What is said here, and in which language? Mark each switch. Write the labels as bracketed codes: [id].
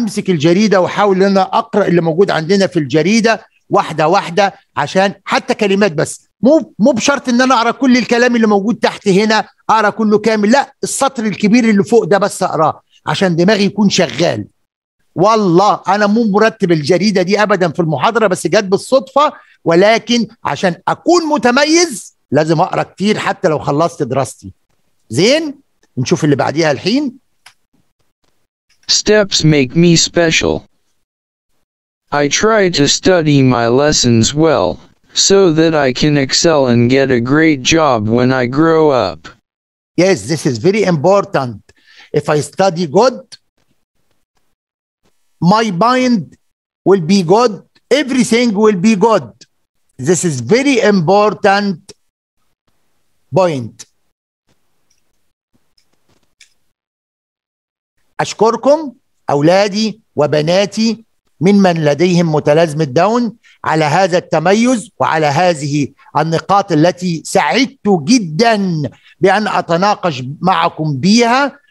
[ar] الجريدة وحاول أنا أقرأ اللي موجود عندنا في الجريدة واحدة واحدة، عشان حتى كلمات بس، مو بشرط ان انا اقرا كل الكلام اللي موجود تحت هنا اقرا كله كامل، لا، السطر الكبير اللي فوق ده بس اقراه عشان دماغي يكون شغال. والله انا مو مرتب الجريدة دي ابدا في المحاضرة، بس جت بالصدفة، ولكن عشان اكون متميز لازم اقرا كتير حتى لو خلصت دراستي. زين، نشوف اللي بعديها الحين. [en] Steps make me special. I try to study my lessons well so that I can excel and get a great job when I grow up. Yes, this is very important. If I study good, my mind will be good, everything will be good. This is very important point. [ar] أشكركم أولادي وبناتي ممن لديهم متلازمة داون على هذا التميز وعلى هذه النقاط التي سعدت جدا بأن أتناقش معكم بيها